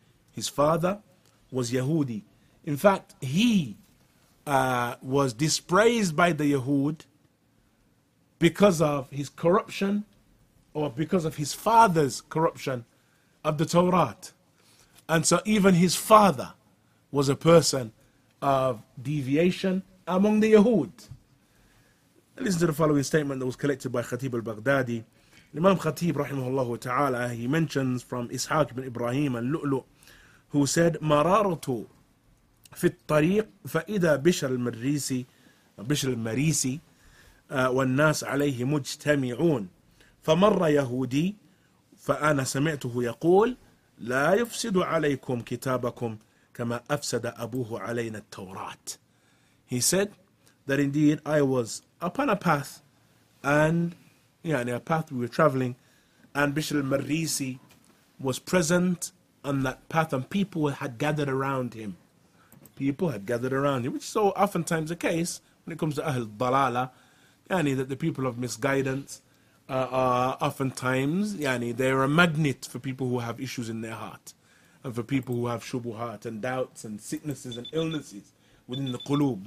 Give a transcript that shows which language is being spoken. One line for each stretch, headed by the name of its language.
English: His father was Yahudi. In fact, he was dispraised by the Yahud because of his corruption, or because of his father's corruption of the Torah. And so even his father was a person of deviation among the Yahud. Listen to the following statement that was collected by Khatib al-Baghdadi. Imam Khatib, rahimahullah ta'ala, he mentions from Ishaq ibn Ibrahim al-Lu'lu, who said,
Arabic: Marartu في الطريق فإذا بشر المريسي بشر المريسي والناس عليه مجتمعون فمر يهودي فأنا سمعته يقول لا يفسد عليكم كتابكم كما أفسد أبوه علينا التوراة.
English: He said that indeed I was upon a path, and يعني a path we were traveling, and بشر المريسي was present on that path, and people had gathered around him. People had gathered around him, which is so oftentimes the case when it comes to Ahl Dalala, yani that the people of misguidance are oftentimes, yani they're a magnet for people who have issues in their heart, and for people who have shubuhat and doubts and sicknesses and illnesses within the qulub.